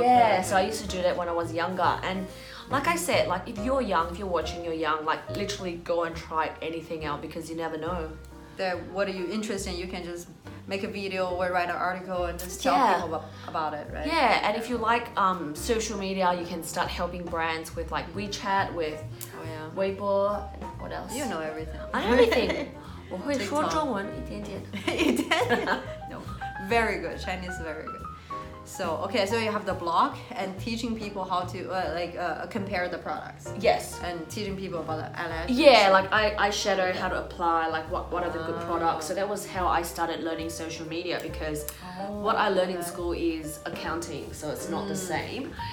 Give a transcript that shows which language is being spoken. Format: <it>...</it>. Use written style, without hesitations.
<en>Yeah, so I used to do that when I was younger. And like I said, like if you're young, if you're watching, you're young, like literally go and try anything out because you never know. That what are you interested in? You can just make a video or write an article and just tell people about it, right? Yeah, and if you like social media, you can start helping brands with like WeChat, with Weibo, what else? You know everything. I know everything.</en> <zh>我会说中文一点点。一点点?</zh> <en>No. Very good. Chinese is very good. So, okay, so you have the blog and teaching people how to compare the products. Yes. And teaching people about the eyelashes. Yeah, like eyeshadow, how to apply, like what are the good products. So that was how I started learning social media, because what I learned in school is accounting, so it's not the same.</en>